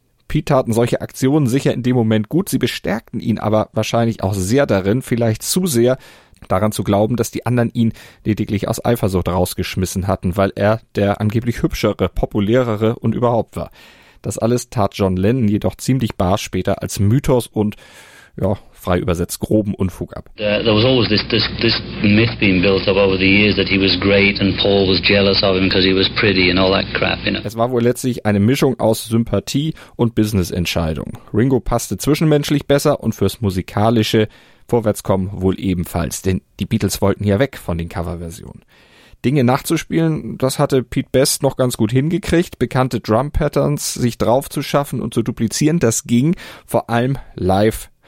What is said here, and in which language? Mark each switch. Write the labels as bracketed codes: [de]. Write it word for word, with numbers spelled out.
[de] Pete taten solche Aktionen sicher in dem Moment gut, sie bestärkten ihn aber wahrscheinlich auch sehr darin, vielleicht zu sehr daran zu glauben, dass die anderen ihn lediglich aus Eifersucht rausgeschmissen hatten, weil er der angeblich hübschere, populärere und überhaupt war. Das alles tat John Lennon jedoch ziemlich bar später als Mythos und, ja, frei übersetzt, groben Unfug ab. [en] Uh, there was always this, this, this myth being built up over the years that he was great and Paul was jealous of him because he was pretty and all that crap, you know. [de] Es war wohl letztlich eine Mischung aus Sympathie und Businessentscheidung. Ringo passte zwischenmenschlich besser und fürs musikalische Vorwärtskommen wohl ebenfalls, denn die Beatles wollten ja weg von den Coverversionen. Dinge nachzuspielen, das hatte Pete Best noch ganz gut hingekriegt, bekannte Drum-Patterns sich draufzuschaffen und zu duplizieren, das ging, vor allem live.